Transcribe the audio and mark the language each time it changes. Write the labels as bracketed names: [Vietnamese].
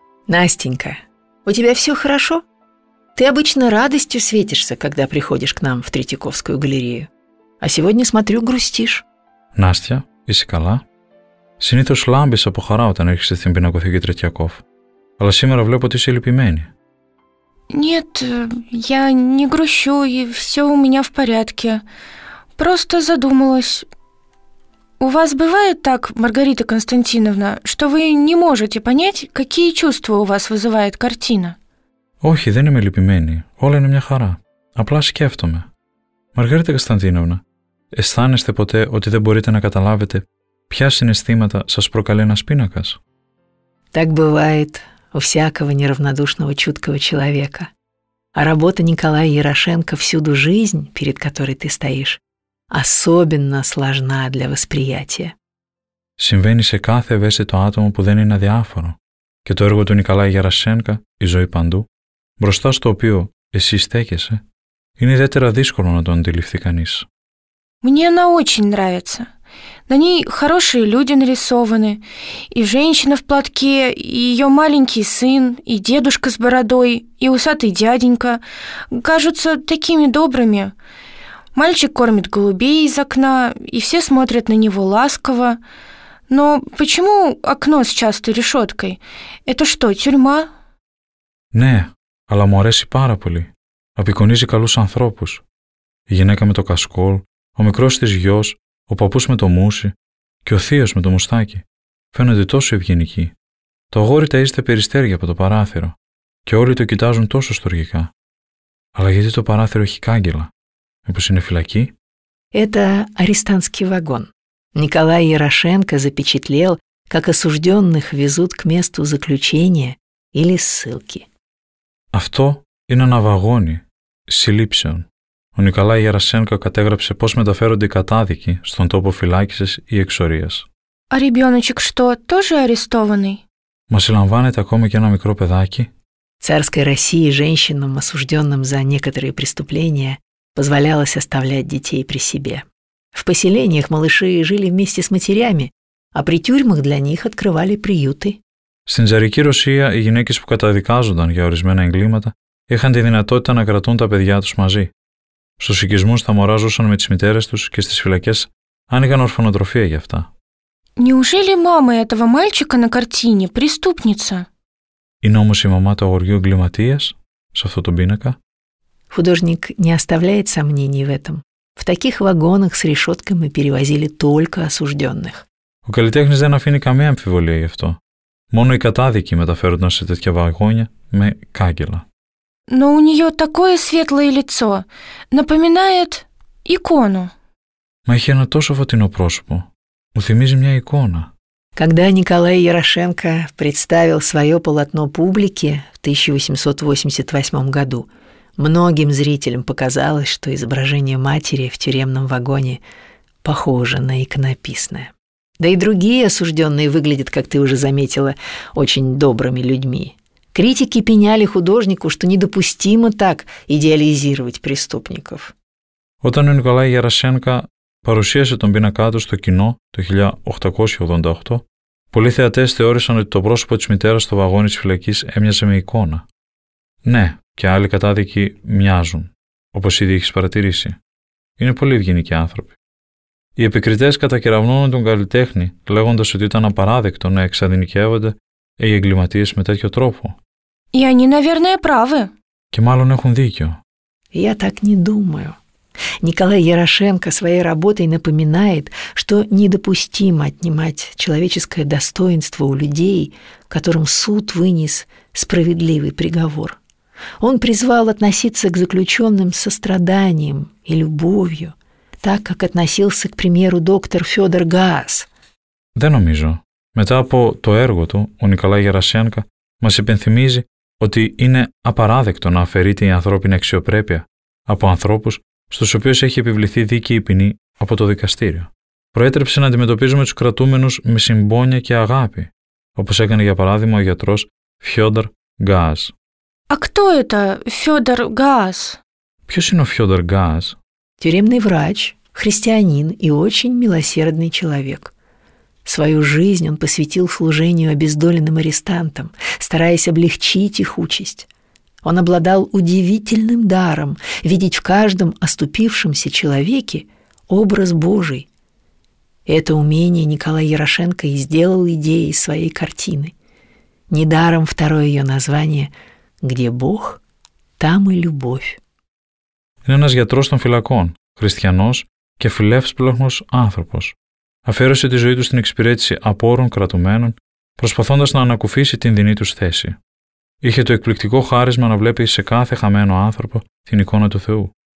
[Russian] Настенька, у тебя все хорошо? Ты обычно радостью светишься, когда приходишь к нам в Третьяковскую галерею. А сегодня, смотрю, грустишь. [Greek] Настя, είσαι καλά? Συνήθως λάμπεις από χαρά όταν έρχεσαι στην πινακοθήκη Τρετιακόφ. Αλλά σήμερα βλέπω ότι είσαι λυπημένη. [Russian] Нет, я не грущу, и все у меня в порядке. Просто задумалась... У вас бывает так, Маргарита Константиновна, что вы не можете понять, какие чувства у вас вызывает картина? [Greek] Όχι, δεν είμαι λυπημένη. Όλα είναι μια χαρά. Απλά σκέφτομαι. Μαργαρίτα Κωνσταντίνοβνα, αισθάνεστε ποτέ ότι δεν μπορείτε να καταλάβετε ποια συναισθήματα σας προκαλεί ένας πίνακας? [Russian] Так бывает у всякого неравнодушного чуткого человека. А работа Николая Ярошенко всюду жизнь, перед которой ты стоишь. Особенно сложна для восприятия. [Greek] Συμβαίνει σε κάθε ευαίσθητο άτομο που δεν είναι αδιάφορο. Και το έργο του Νικολάη Γερασένκα, «Η ζωή παντού», μπροστά στο οποίο εσύ στέκεσαι, είναι ιδιαίτερα δύσκολο να το αντιληφθεί κανείς. [Russian] Мне она очень нравится. На ней хорошие люди нарисованы. И женщина в платке, и ее маленький сын, и дедушка с бородой, и усатый дяденька. Кажутся такими добрыми. Мальчик кормит голубей из окна, и все смотрят на него ласково. Но почему окно с частой решеткой? Это что, тюрьма? [Greek] Ναι, αλλά μου αρέσει πάρα πολύ. Απεικονίζει καλούς ανθρώπους, η γυναίκα με το κασκόλ, ο μικρός της γιος, ο παππούς με το μούσι και ο θείος με το μουστάκι. Φαίνονται τόσο ευγενικοί. Το αγόρι ταΐζεται περιστέρια από το παράθυρο και όλοι το κοιτάζουν τόσο στοργικά. Αλλά γιατί το παράθυρο έχει κάγκελα? Μήπως είναι φυλακή? [Russian] Это арестантский вагон. Николай Ярошенко запечатлел, как осужденных везут к месту заключения или ссылки. [Greek] Αυτό είναι ένα βαγόνι συλλήψεων. Ο Νικολάη Γερασένκο κατέγραψε πώς μεταφέρονται οι κατάδικοι στον τόπο φυλάκισης ή εξορίας. [Russian] «Α, ребёночек, что, тоже арестованный?» [Greek] «Μα συλλαμβάνεται ακόμα και ένα μικρό παιδάκι?» [Russian] «Царской России женщинам, осужденным за некоторые преступления, позволялось оставлять детей при себе. В поселениях малыши жили вместе с матерями, а при тюрьмах для них открывали приюты». [Greek] Στην Τζαρική Ρωσία, οι γυναίκες που καταδικάζονταν για ορισμένα εγκλήματα είχαν τη δυνατότητα να κρατούν τα παιδιά τους μαζί. Στους οικισμούς τα μωρά ζούσαν με τις μητέρες τους και στις φυλακές άνοιγαν ορφανοτροφία για αυτά. [Russian] Неужели мама этого мальчика на картине преступница? [Greek] Είναι όμως η μαμά του αγοριού εγκληματίας σε αυτό τον πίνακα? [Russian] Художник не оставляет сомнений в этом. В таких вагонах с решетками перевозили только осужденных. [Greek] Ο καλλιτέχνης δεν αφήνει καμία αμφιβολία γι' αυτό. Μόνο οι κατάδικοι μεταφέρονταν σε τέτοια βαγόνια με κάγκελα. [Russian] Но у нее такое светлое лицо. Напоминает икону. [Greek] Μα είχε ένα τόσο φωτεινό πρόσωπο. Μου θυμίζει μια εικόνα. [Russian] Когда Николай Ярошенко представил свое полотно публике в 1888 году, многим зрителям показалось, что изображение матери в тюремном вагоне похоже на иконописное. Да и другие осужденные выглядят, как ты уже заметила, очень добрыми людьми. Критики пеняли художнику, что недопустимо так идеализировать преступников. Когда Николай Ярошенко [Greek] παρουσίασε τον πίνακά του στο κοινό το 1888, πολλοί θεατές θεώρησαν ότι το πρόσωπο της μητέρας στο βαγόνι της φυλακής έμοιαζε με εικόνα. Ναι, και άλλοι κατάδικοι μοιάζουν, όπως ήδη έχεις παρατηρήσει. Είναι πολύ ευγενικοί άνθρωποι. Οι επικριτές κατακεραυνώνουν τον καλλιτέχνη, λέγοντας ότι ήταν απαράδεκτο να εξαδικεύονται οι εγκληματίες με τέτοιο τρόπο. [Russian] И они, наверное, правы. [Greek] Και μάλλον έχουν δίκιο. [Russian] Я так не думаю. Николай Ярошенко своей работой напоминает, что недопустимо отнимать человеческое достоинство у людей, которым суд вынес справедливый приговор. Он призвал относиться к заключенным с состраданием и любовью, так как относился, к примеру, доктор Федор Гаас. [Greek] Δεν νομίζω. Μετά από το έργο του, ο Νικολάη Γερασένκα μας υπενθυμίζει ότι είναι απαράδεκτο να αφαιρείται η ανθρώπινη αξιοπρέπεια από ανθρώπους στους οποίους έχει επιβληθεί δίκαιη ποινή από το δικαστήριο. Προέτρεψε να αντιμετωπίζουμε τους κρατούμενους με συμπόνια και αγάπη, όπως έκανε για παράδειγμα ο γιατρός Φιόντορ Γκάας. [Russian] «Α, кто это, Фёдор Гаас?» [Greek] Ποιος είναι ο Φιόντορ Γκάας? [Russian] Тюремный врач, христианин и очень милосердный человек. Свою жизнь он посвятил служению обездоленным арестантам, стараясь облегчить их участь. Он обладал удивительным даром видеть в каждом оступившемся человеке образ Божий. Это умение Николай Ярошенко и сделал идеей своей картины. Недаром второе ее название «Где Бог, там и любовь». [Greek] Είναι ένας γιατρός των φυλακών, χριστιανός και φιλεύσπλαχνος άνθρωπος. Αφιέρωσε τη ζωή του στην εξυπηρέτηση απόρων κρατουμένων, προσπαθώντας να ανακουφίσει την δεινή τους θέση. Είχε το εκπληκτικό χάρισμα να βλέπει σε κάθε χαμένο άνθρωπο την εικόνα του Θεού.